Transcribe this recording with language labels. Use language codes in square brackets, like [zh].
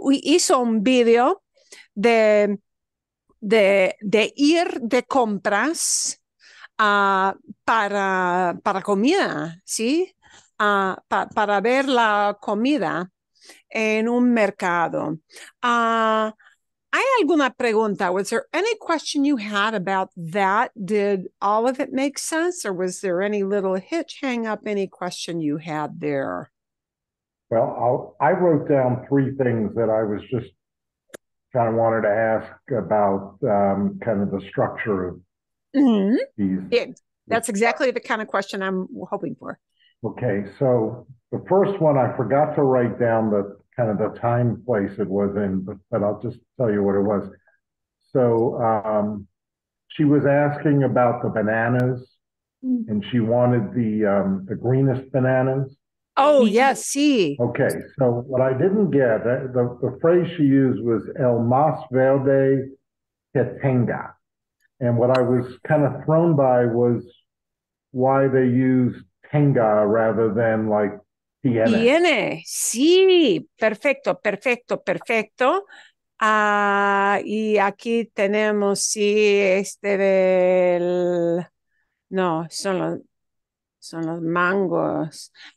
[es] Hizo un video de ir de compras para comida, sí, para ver la comida en un mercado. ¿Hay alguna pregunta? [en] Was there any question you had about that? Did all of it make sense? Or was there any little hitch, hang up, any question you had there? Well, I wrote down three things that I was just kind of wanted to ask about, kind of the structure of That's exactly the kind of question I'm hoping for. Okay, so the first one, I forgot to write down the kind of the time place it was in, but I'll just tell you what it was. So she was asking about the bananas, and she wanted the greenest bananas. Oh, yes, see. Okay, so what I didn't get, the phrase she used was [es] el más verde que tenga. [en] And what I was kind of thrown by was why they used tenga rather than like [es] Tiene, sí, perfecto, perfecto, perfecto. Y aquí tenemos, sí, este del, no, son los mangos.